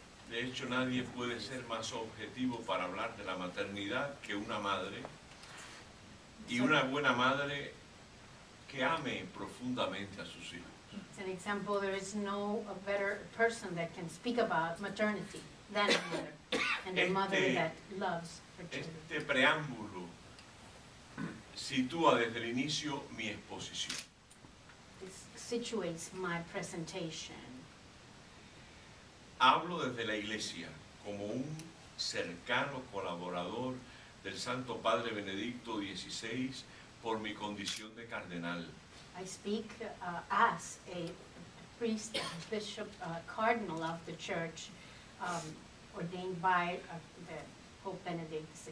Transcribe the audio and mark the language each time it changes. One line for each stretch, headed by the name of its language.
Spanish: De hecho, nadie puede ser más objetivo para hablar de la maternidad que una madre. Y una buena madre que ame profundamente a sus hijos.
English: It's an example, there is no a better person that can speak about maternity than a mother. And a mother that loves her children.
Spanish: Este preámbulo sitúa desde el inicio mi exposición.
English: This situates my presentation.
Spanish: Hablo desde la Iglesia como un cercano colaborador del Santo Padre Benedicto XVI por mi condición de cardenal.
English: I speak as a priest, bishop, cardinal of the church, ordained by the Pope Benedict